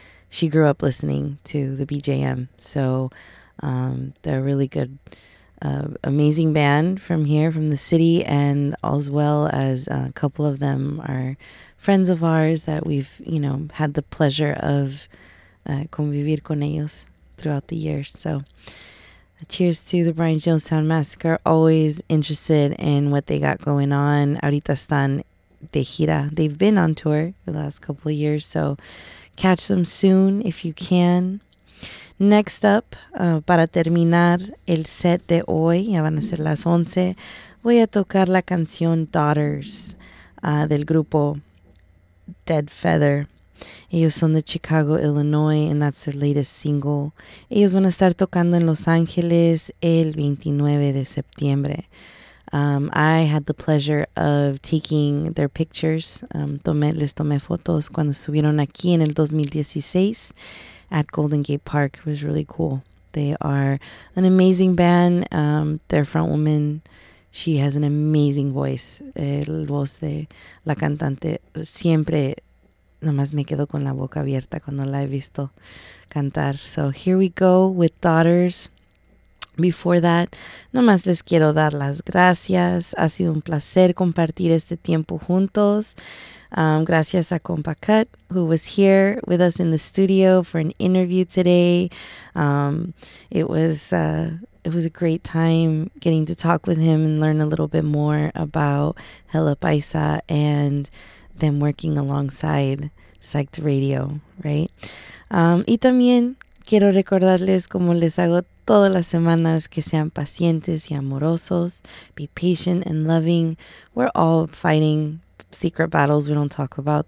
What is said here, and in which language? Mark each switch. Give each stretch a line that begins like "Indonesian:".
English: She grew up listening to the BJM, so they're a really good, amazing band from here, from the city, and as well as a couple of them are friends of ours that we've, you know, had the pleasure of
Spanish: convivir con ellos
English: throughout the years. So cheers to the Brian Jones Sound Massacre. Always interested in what they got going on.
Spanish: Ahorita están de gira.
English: They've been on tour the last couple of years, so catch them soon if you can. Next up,
Spanish: para terminar el set de hoy, ya van a ser las 11, voy a tocar la canción Daughters del grupo Dead Feather. Ellos son de
English: Chicago, Illinois, and that's their latest single.
Spanish: Ellos van a estar tocando en Los Ángeles el 29 de septiembre.
English: I had the pleasure of taking their pictures.
Spanish: Les tomé fotos cuando subieron aquí en el 2016 at Golden Gate Park.
English: It was really cool. They are an amazing band. Their front woman, she has an amazing voice.
Spanish: El voz de la cantante siempre... Nomás me quedo con la boca abierta cuando la he visto cantar.
English: So here we go with Daughters. Before that,
Spanish: nomás les quiero dar las gracias. Ha sido un placer compartir este tiempo juntos. Gracias a
English: Compa Cut, who was here with us in the studio for an interview today. It was a great time getting to talk with him and learn a little bit more about Hella Paisa and them working alongside Psyched Radio, right?
Spanish: Y también quiero recordarles como les hago todas las semanas que sean pacientes y amorosos.
English: Be patient and loving. We're all fighting secret battles we don't talk about.